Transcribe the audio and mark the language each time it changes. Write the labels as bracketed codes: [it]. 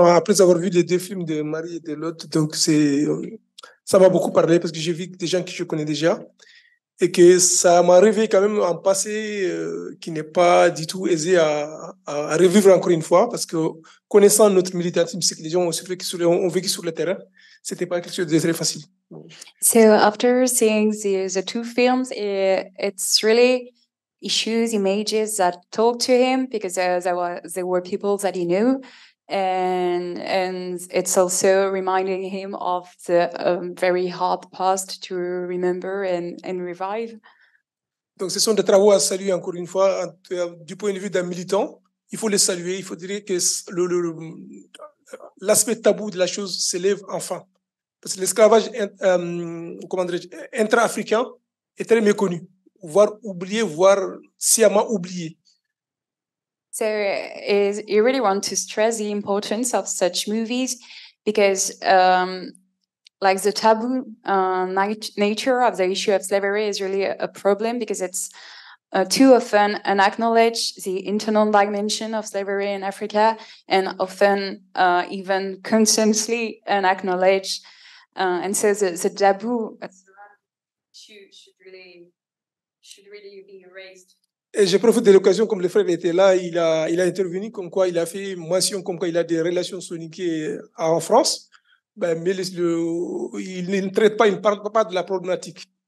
[fr] Après avoir vu les deux films de Marie et de Lotte, donc ça m'a beaucoup parlé parce que j'ai vu des gens que je connais déjà et que ça m'a réveillé quand même un passé qui n'est pas du tout aisé à revivre encore une fois parce que connaissant notre militantisme, c'est que les gens ont vécu sur le terrain, c'était pas quelque chose de très facile. [en] So after seeing the two films, it's really issues, images that talk to him because there were people that he knew, and it's also reminding him of the very hard past to remember and revive. [fr] Donc ce sont des travaux à saluer encore une fois du point de vue d'un militant. Il faut les saluer. Il faut dire que l'aspect tabou de la chose s'élève enfin. Parce que l'esclavage intra-africain est très méconnu, voire oublié, voire sciemment oublié. [en] So you really want to stress the importance of such movies because like the taboo nature of the issue of slavery is really a problem because it's too often unacknowledged the internal dimension of slavery in Africa and often even consciously unacknowledged. And so the taboo should really be erased. [fr] Et je profite de l'occasion, comme le frère était là, il a intervenu, comme quoi il a fait mention, comme quoi il a des relations soniquées en France, mais il ne traite pas, il ne parle pas de la problématique.